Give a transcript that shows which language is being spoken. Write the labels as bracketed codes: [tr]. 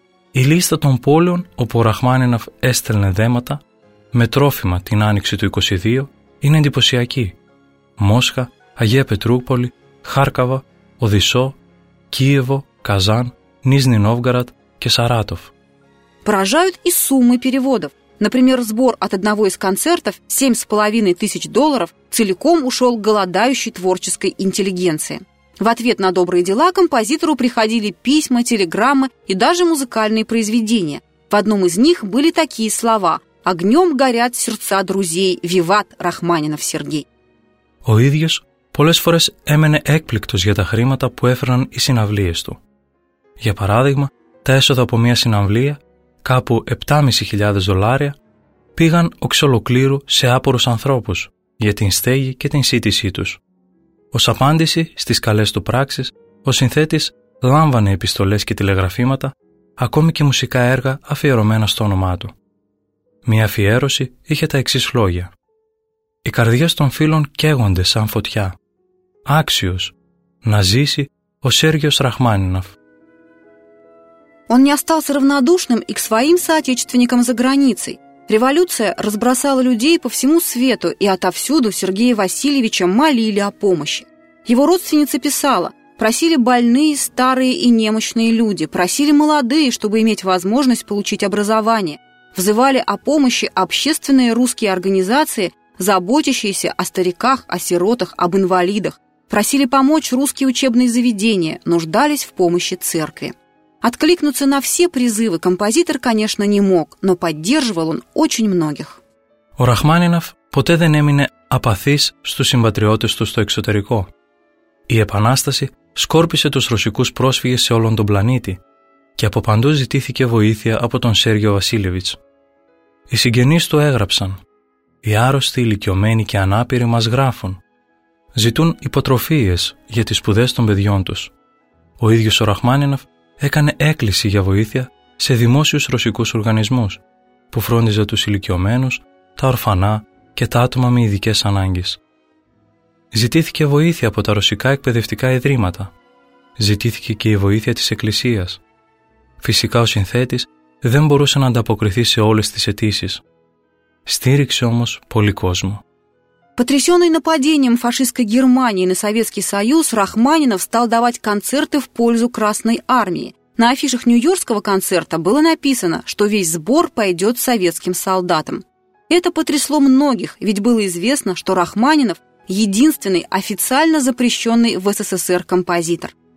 [el] Η λίστα των πόλεων όπου ο Ραχμάνινοφ έστελνε δέματα με τρόφιμα την άνοιξη του 22 είναι εντυπωσιακή. Μόσχα, Αγία Πετρούπολη, Χάρκαβα, Οδυσσό, Κίεβο, Καζάν, Νίζνη Νόβγαραντ και Σαράτοφ. [ru] Поражают и суммы переводов. Например, сбор от одного из концертов 7,5 тысяч долларов целиком ушел голодающей творческой интеллигенции. В ответ на добрые дела композитору приходили письма, телеграммы и даже музыкальные произведения. В одном из них были такие слова: «Огнем горят сердца друзей, виват Рахманинов Сергей». [el] Ο ίδιος πολλές φορές έμενε έκπληκτος για τα χρήματα που έφεραν οι συναυλίες του. Για παράδειγμα, τα έσοδα από μια συναυλία, κάπου 7.500 δολάρια, πήγαν οξολοκλήρου σε άπορους ανθρώπους για την στέγη και την σίτησή τους. Ως απάντηση στις καλές του πράξεις, ο συνθέτης λάμβανε επιστολές και τηλεγραφήματα, ακόμη και μουσικά έργα αφιερωμένα στο όνομά του. Μία αφιέρωση είχε τα εξής λόγια. «Οι καρδιές των φίλων καίγονται σαν φωτιά. Άξιος να ζήσει ο Σέργιος Ραχμάνινοφ». [ru] Он не остался равнодушным и к своим соотечественникам за границей. Революция разбросала людей по всему свету, и отовсюду Сергея Васильевича молили о помощи. Его родственница писала: «Просили больные, старые и немощные люди, просили молодые, чтобы иметь возможность получить образование. Взывали о помощи общественные русские организации, заботящиеся о стариках, о сиротах, об инвалидах. Просили помочь русские учебные заведения, нуждались в помощи церкви». Откликнуться на все призывы композитор, конечно, не мог, но поддерживал он очень многих. [el] Ο Ραχμάνινοφ ποτέ δεν έμεινε απαθής στους συμπατριώτες του στο εξωτερικό. Η Επανάσταση σκόρπισε τους ρωσικούς πρόσφυγες σε όλον τον πλανήτη και από παντού ζητήθηκε βοήθεια από τον Σέργιο Βασίλειβιτς. Οι συγγενείς του έγραψαν: «Οι άρρωστοι, ηλικιωμένοι και ανάπηροι μας γράφουν. ζητούν υποτροφίες για τις σπουδές των παιδιών τους. Ο ίδιος ο Ραχμάνινοφ έκανε έκκληση για βοήθεια σε δημόσιους ρωσικούς οργανισμούς που φρόντιζε τους ηλικιωμένους, τα ορφανά και τα άτομα με ειδικές ανάγκες. Ζητήθηκε βοήθεια από τα ρωσικά εκπαιδευτικά ιδρύματα. Ζητήθηκε και η βοήθεια της Εκκλησίας. Φυσικά ο συνθέτης δεν μπορούσε να ανταποκριθεί σε όλες τις αιτήσεις. Στήριξε όμως πολύ κόσμο. [ru] Потрясенный нападением фашистской Германии на Советский Союз, Рахманинов стал давать концерты в пользу Красной Армии. На афишах Нью-Йоркского концерта было написано, что весь сбор пойдет советским солдатам. Это потрясло многих, ведь было известно, что Рахманинов – единственный официально запрещенный в СССР композитор.